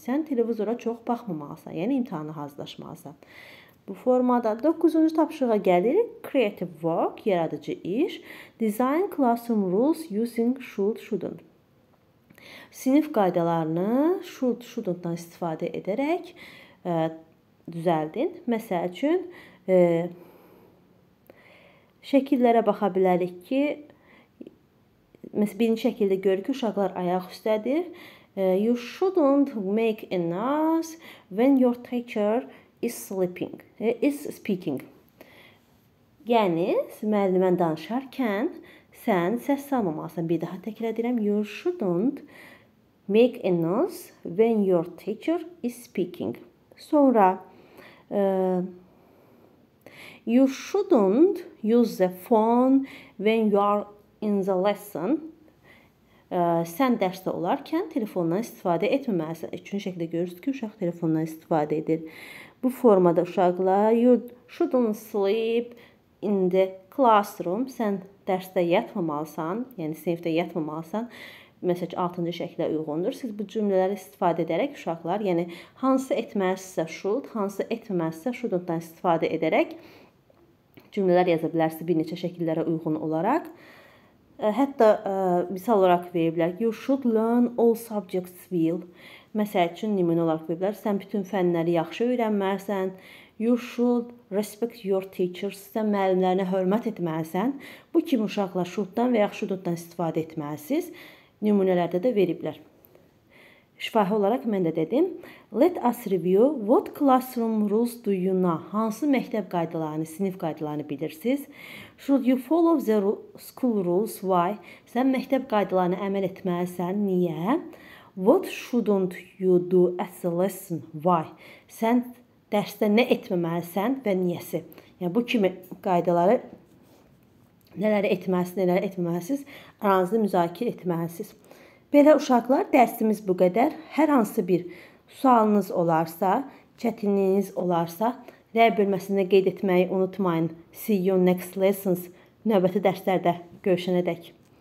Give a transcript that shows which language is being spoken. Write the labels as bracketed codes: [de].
[az] Sən televizora çox baxmamalısan. Yəni, imtihanı hazırlaşmalısan. Bu formada 9-cu tapşırığa gəlirik. [en] Creative work, [az] yaradıcı iş. [en] Design classroom rules using should, shouldn't. [az] Sinif qaydalarını should, shouldn't-dan istifadə edərək düzəldin. Məsəl üçün, şəkillərə baxa bilərik ki, məsələn, birinci şəkildə görürük ki, uşaqlar ayaq üstədir. [en] You shouldn't make a noise when your teacher is sleeping, is speaking. [az] Yəni, müəllimən danışarkən sən səs salmamalısan. Bir daha təkrar edirəm. [en] You shouldn't make a noise when your teacher is speaking. Sonra, you shouldn't use the phone when you are in the lesson. [az] Sən dərsdə olarkən telefondan istifadə etməməlisən. Üçüncü şəkildə görürsünüz ki, uşaq telefondan istifadə edir. Bu formada uşaqlar, [en] you shouldn't sleep in the classroom. [az] Sən dərsdə yatmamalısan, yəni sinifdə yatmamalısan, məsələn, 6-cı şəkildə uyğundur. Siz bu cümlələri istifadə edərək uşaqlar, yəni hansı etməlisizsə should, hansı etməlisizsə shouldn't-dan istifadə edərək cümlələr yaza bilərsiniz bir neçə şəkillərə uyğun olaraq. Hətta misal olaraq verə bilər ki, [en] you should learn all subjects well. [az] Məsəl üçün, nümunə olaraq verə bilər, sən bütün fənləri yaxşı öyrənməlisən. [en] You should respect your teachers. [az] Sən müəllimlərinə hörmət etməlisən. Bu kimi uşaqlar should-dan və ya should-dan istifadə etməlisiniz. Nümunələrdə də veriblər. Şifahi olaraq mən də dedim. [en] Let us review what classroom rules do you know? [az] Hansı məktəb qaydalarını, sinif qaydalarını bilirsiniz? [en] Should you follow the school rules? Why? [az] Sən məktəb qaydalarını əməl etməlisən. Niyə? [en] What shouldn't you do at the lesson? Why? [az] Sən dərsdə nə etməməlisən və niyəsi? Yəni, bu kimi qaydaları nələri etməlisiniz, nələri etməlisiniz, aranızda müzakirə etməlisiniz. Belə uşaqlar, dərsimiz bu qədər. Hər hansı bir sualınız olarsa, çətinliyiniz olarsa, rəy bölməsində qeyd etməyi unutmayın. [en] See you next lessons. [az] Növbəti dərslərdə görüşənədək.